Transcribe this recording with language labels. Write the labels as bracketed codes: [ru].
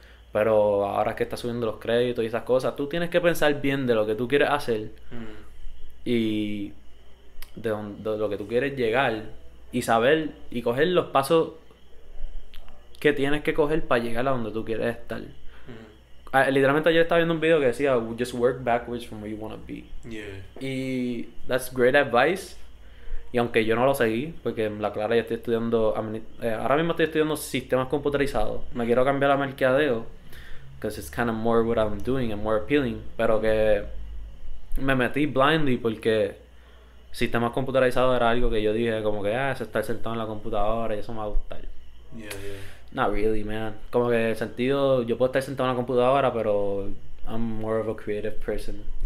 [es] Pero ahora que está subiendo los créditos y esas cosas, tú tienes que pensar bien de lo que tú quieres hacer y de lo que tú quieres llegar y saber y coger los pasos que tienes que coger para llegar a donde tú quieres estar. Literalmente ayer estaba viendo un video que decía, [en] just work backwards from where you want to be. [es] Y [en] that's great advice. [es] Y aunque yo no lo seguí, porque en la clara ya estoy estudiando, ahora mismo estoy estudiando sistemas computarizados. Me quiero cambiar a mercadeo, [en] because it's kind of more what I'm doing and more appealing. [es] Pero que me metí blindly porque sistemas computarizados era algo que yo dije, como que, es estar sentado en la computadora y eso me va a gustar. [en] Not really, man. [es] Como que el sentido, yo puedo estar sentado en la computadora, pero [en] I'm more of a creative person.